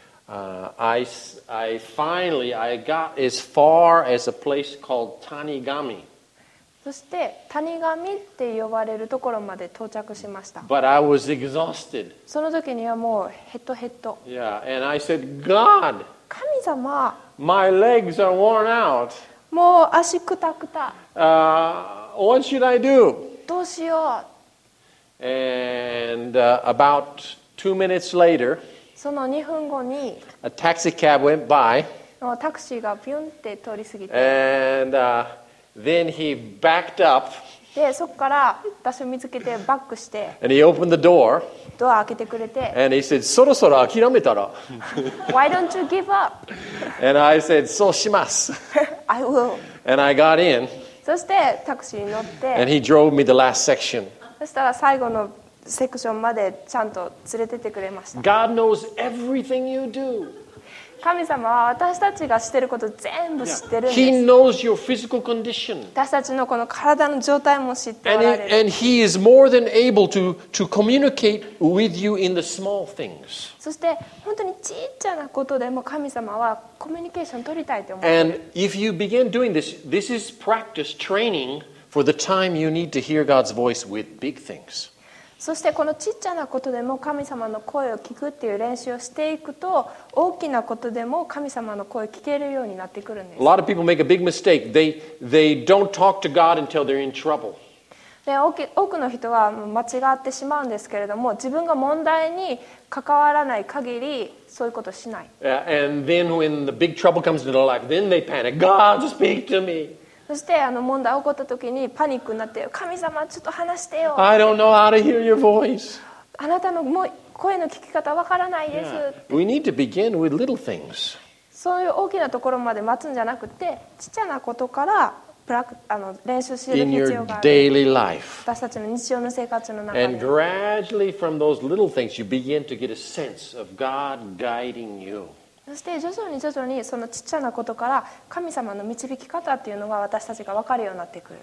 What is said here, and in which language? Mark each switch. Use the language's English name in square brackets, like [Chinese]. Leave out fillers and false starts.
[English] I finally I got as far as a place called Tanigami. [Japanese] そして谷神って呼ばれるところまで到着しました。 [English] But I was exhausted. [Japanese] その時にはもうヘトヘト。 [English] Yeah, and I said, God. [Japanese] 神様。 [English] My legs are worn out. [Japanese] もう足クタクタ。 [English] What should I do? [Japanese] どうしよう。 [English] And about 2 minutes later. [Japanese] その2分後に、 [English] A taxi cab went by. [Japanese] タクシーがピュンって通り過ぎて、 [English] And then he backed up. [Japanese] で、そこから私を見つけてバックして、 [English] And he opened the door. [Japanese] ドア開けてくれて、 [English] And he said, [Japanese] そろそろ諦めたら、 [English] Why don't you give up? And I said, [Japanese] そうします。 [English] I will. And I got in. [Japanese] そしてタクシーに乗って、 [English] And he drove me the last section. [Japanese] そしたら最後のセクションまでちゃんと連れてってくれました。 [English] God knows everything you do. [Japanese] 神様は私たちがしてること全部知ってるんです。 [English] Yeah. He knows your physical condition. [Japanese] 私たちのこの体の状態も知っておられる。 [English] And he is more than able to communicate with you in the small things. [Japanese] そして本当に小さなことでも神様はコミュニケーション取りたいと思ってる。 [English] And if you begin doing this, this is practice training for the time you need to hear God's voice with big things. [Japanese] そしてこのちっちゃなことでも神様の声を聞くっていう練習をしていくと大きなことでも神様の声を聞けるようになってくるんです。 [English] A lot of people make a big mistake. They don't talk to God until they're in trouble. [Japanese] で、多くの人は間違ってしまうんですけれども自分が問題に関わらない限りそういうことしない。 [English] Yeah, and then when the big trouble comes into their life, then they panic. God, speak to me. [Japanese] そしてあの問題が起こった時にパニックになって神様ちょっと話してよ。 [English] I don't know how to hear your voice. [Japanese] あなたの声の聞き方わからないです。 [English] Yeah. We need to begin with little things. [Japanese] そういう大きなところまで待つんじゃなくて、ちっちゃなことからあの練習する必要がある。 [English] In your daily life. [Japanese] 私たちの日常の生活の中で。 [English] And gradually from those little things, you begin to get a sense of God guiding you. [Japanese] そして徐々に徐々にそのちっちゃなことから神様の導き方っていうのが私たちが分かるようになってくる。